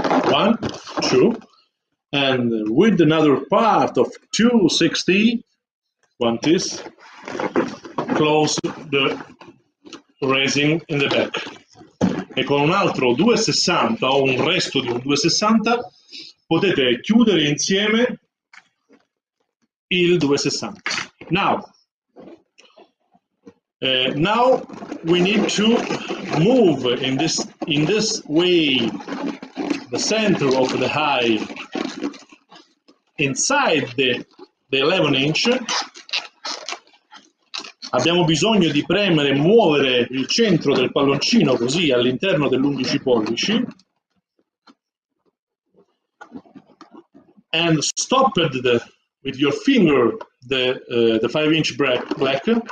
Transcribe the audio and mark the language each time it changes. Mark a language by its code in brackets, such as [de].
[en] One, two, and with another part of 260, one this, close the raising in the back. [it] E con un altro 260 o un resto di un 260 potete chiudere insieme il 260. [en] Now, now we need to move in this way the center of the eye inside the 11-inch. [it] Abbiamo bisogno di premere e muovere il centro del palloncino così all'interno dell'11 pollici. [en] And stop it with your finger the 5-inch black.